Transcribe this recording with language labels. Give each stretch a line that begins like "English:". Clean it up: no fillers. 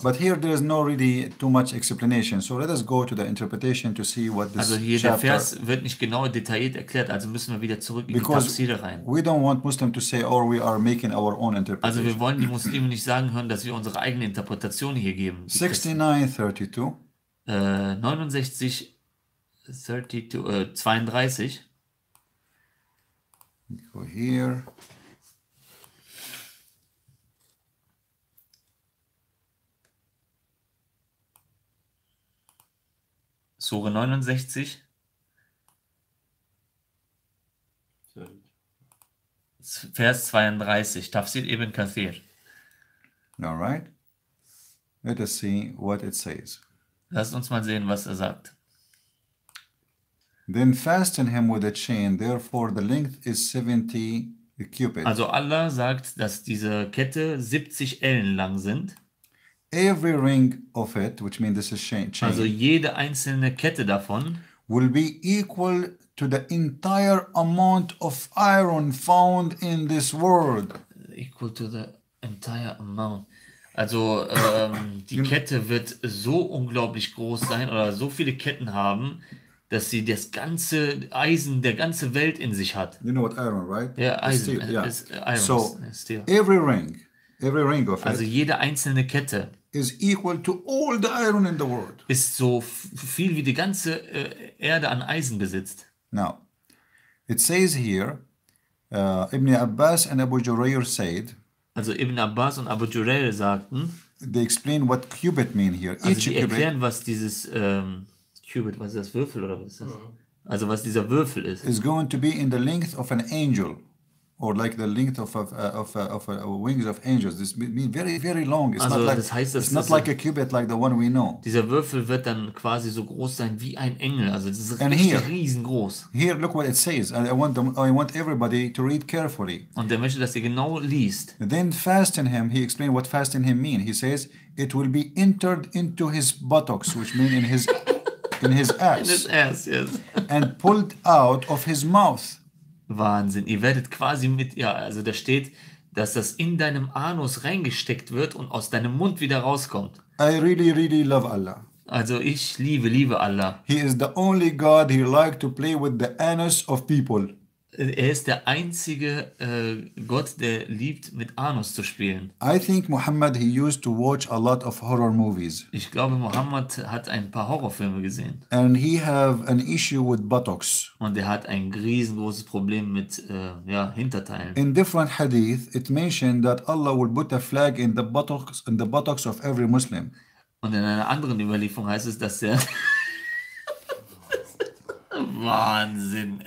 English: But here there is no really too much explanation. So let us go to the interpretation to see what this
German: chapter. Also hier chapter, der Vers wird nicht genau detailliert erklärt. Also müssen wir wieder zurück in die Tafsir rein.
English: We don't want Muslim to say, or we are making our own interpretation.
German: Also wir wollen die Muslime nicht sagen hören, dass wir unsere eigene Interpretation hier geben. 69:32.
English: Go here.
German: Sure 69. 30. Vers 32. Tafsir Ibn Kathir.
English: All right. Let us see what it says.
German: Lasst uns mal sehen, was er sagt.
English: Then fasten him with a chain, therefore the length is 70 cubits.
German: Also Allah sagt, dass diese Kette 70 Ellen lang sind.
English: Every ring of it, which means this is chain.
German: Also jede einzelne Kette davon
English: will be equal to the entire amount of iron found in this world. Equal to the entire amount.
German: Also die Kette wird so unglaublich groß sein oder so viele Ketten haben, dass sie das ganze Eisen der ganze Welt in sich hat.
English: You know what iron, right?
German: Ja, Eisen.
English: Steel, yeah. Iron, so, steel. Every ring of it.
German: Also jede einzelne Kette
English: is equal to all the iron in the world.
German: Ist so viel wie die ganze Erde an Eisen besitzt.
English: Now, it says here, Ibn Abbas and Abu Jurayr said.
German: Also Ibn Abbas und Abu Jurayr sagten.
English: They explain what cubit mean here.
German: Also sie erklären, was dieses Cubit, was ist das, Würfel oder was ist das? Mm-hmm. Also was dieser Würfel ist.
English: It's going to be in the length of an angel, or like the length of wings of angels. This means very, very long. It's also not like,
German: das heißt,
English: it's not like a cubit like the one we know.
German: Dieser Würfel wird dann quasi so groß sein wie ein Engel. Also das ist and richtig here, riesengroß.
English: Here, look what it says. I want everybody to read carefully.
German: Und er möchte, dass ihr genau liest.
English: Then fasten him. He explained what fasten him mean. He says it will be entered into his buttocks, which means in his in his ass. In his ass, yes. And pulled out of his mouth.
German: Wahnsinn. Ihr werdet quasi mit, ja, also da steht, dass das in deinem Anus reingesteckt wird und aus deinem Mund wieder rauskommt.
English: I really, really love Allah.
German: Also ich liebe Allah.
English: He is the only God who likes to play with the anus of people.
German: Er ist der einzige Gott, der liebt, mit Anus zu spielen.
English: I think Muhammad, he used to watch a lot of horror movies.
German: Ich glaube, Muhammad hat ein paar Horrorfilme gesehen.
English: And he have an issue with buttocks.
German: Und er hat ein riesengroßes Problem mit Hinterteilen.
English: In different hadith, it mentioned that Allah will put a flag in the buttocks of every Muslim.
German: Und in einer anderen Überlieferung heißt es, dass er Wahnsinn.